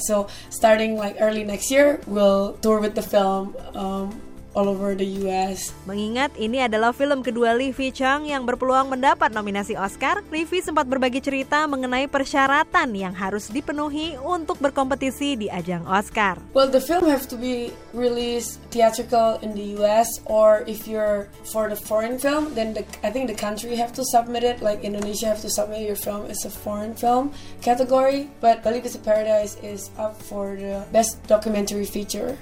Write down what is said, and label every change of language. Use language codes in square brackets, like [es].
[en] So, starting like early next year, we'll tour with the film all over the US. [id] Mengingat ini adalah film kedua Lee Fi Cheng yang berpeluang mendapat nominasi Oscar, Lee Fi sempat berbagi cerita mengenai persyaratan yang harus dipenuhi untuk berkompetisi di ajang Oscar. [en] Well, the film have to be released theatrical in the US, or if you're for the foreign film, then I think the country have to submit it, like Indonesia have to submit your film as a foreign film category, but Bali Beats of Paradise is up for the best documentary feature.